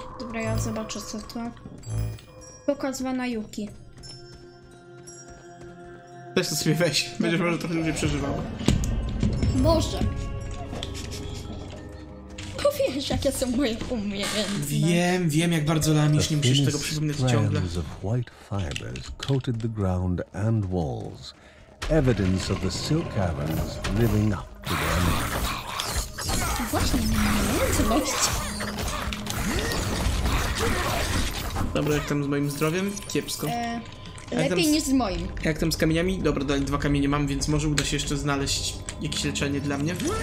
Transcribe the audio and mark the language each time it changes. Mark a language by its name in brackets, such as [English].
[Polish] Dobra, ja zobaczę co to. Pokazwana Yuki. Też to sobie weź. Będziesz może trochę ludzi przeżywał. Może. Powiesz, jakie są moje umiejętności. Wiem, jak bardzo lamisz, nie musisz tego przypominać ciągle. [English] Strands of white fibers coated the ground and walls. Evidence of the silk caverns living up to their name. [Polish] Właśnie, umiejętności. Dobra, jak tam z moim zdrowiem? Kiepsko. Lepiej niż z moim. Jak tam z kamieniami? Dobra, dalej dwa kamienie mam, więc może uda się jeszcze znaleźć jakieś leczenie dla mnie.